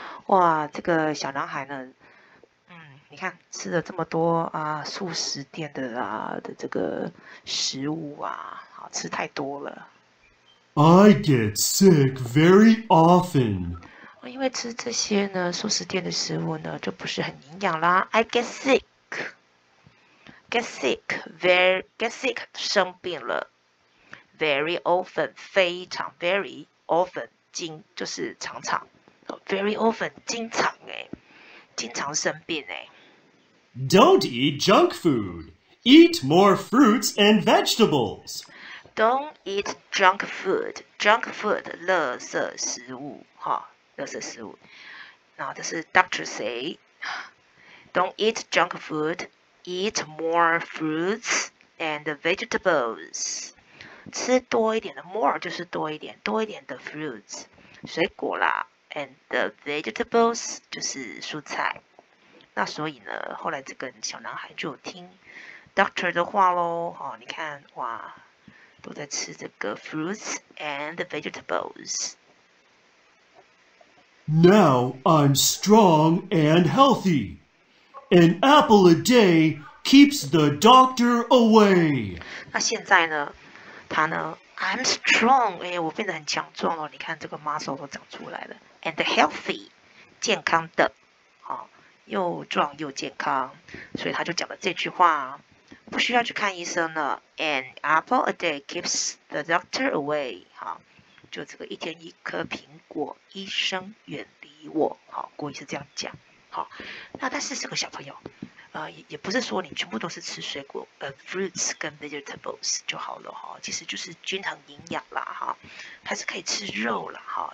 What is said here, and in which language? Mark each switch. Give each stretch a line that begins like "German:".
Chinese: 哇，这个小男孩呢，你看吃了这么多啊，素食店的啊的这个食物啊，好吃太多了。
English: I get sick very often.
Chinese: 因为吃这些呢，素食店的食物呢，就不是很营养啦。
English: I get sick. Get sick,
Chinese: 生病了。
English: Very often,
Chinese: 非常
English: very often,
Chinese: 经就是常常。
English: Very often,
Chinese: 经常诶，经常生病诶。
English: Don't eat junk food. Eat more fruits and vegetables. Don't eat junk food. Junk food,
Chinese: 垃圾食物，哈，垃圾食物。那这是
English: Doctor say. Don't eat junk food. Eat more fruits and vegetables.
Chinese: 吃多一点的 more 就是多一点，多一点的 fruits 水果啦 ，
English: and the vegetables
Chinese: 就是蔬菜。那所以呢，后来这个小男孩就听 Doctor 的话喽，哈，你看，哇。都在吃这个
English: fruits and vegetables. Now I'm strong and healthy. An apple a day keeps the doctor away.
Chinese: 那现在呢，他呢 ，
English: I'm strong，
Chinese: 哎，我变得很强壮了。你看这个 muscle 都长出来了 ，
English: and healthy，
Chinese: 健康的，好，又壮又健康，所以他就讲了这句话。不需要去看医生了。
English: An apple a day keeps the doctor away.
Chinese: 好，就这个一天一颗苹果，医生远离我。好，故意是这样讲。好，那但是这个小朋友，也不是说你全部都是吃水果，fruits 跟 vegetables 就好了哈。其实就是均衡营养啦哈，还是可以吃肉啦哈。